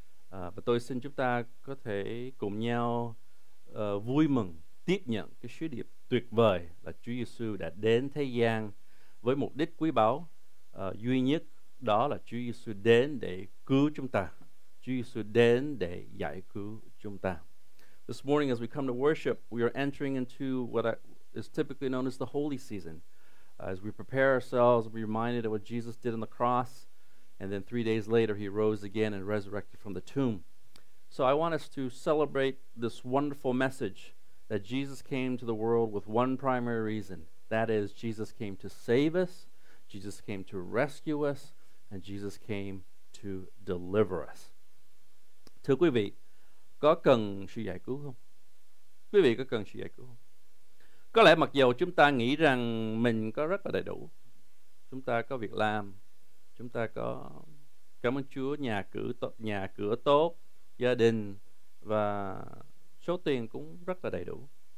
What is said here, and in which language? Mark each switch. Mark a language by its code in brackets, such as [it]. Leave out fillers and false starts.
[vi] Và tôi xin chúng ta có thể cùng nhau vui mừng tiếp nhận cái sứ điệp tuyệt vời là Chúa Giêsu đã đến thế gian với mục đích quý báu duy nhất, đó là Chúa Giêsu đến để cứu chúng ta. Chúa Giêsu đến để giải cứu chúng ta. [en] This morning as we come to worship, we are entering into what is typically known as the holy season. As we prepare ourselves, we're reminded of what Jesus did on the cross. And then 3 days later, he rose again and resurrected from the tomb. So I want us to celebrate this wonderful message that Jesus came to the world with one primary reason. That is, Jesus came to save us, Jesus came to rescue us, and Jesus came to deliver us. [vi] Thưa quý vị, có cần sự giải cứu không? Quý vị có cần sự giải cứu không? Có lẽ mặc dù chúng ta nghĩ rằng mình có rất là đầy đủ, chúng ta có việc làm, chúng ta có, cảm ơn Chúa, nhà cửa tốt, gia đình và số tiền cũng rất là đầy đủ.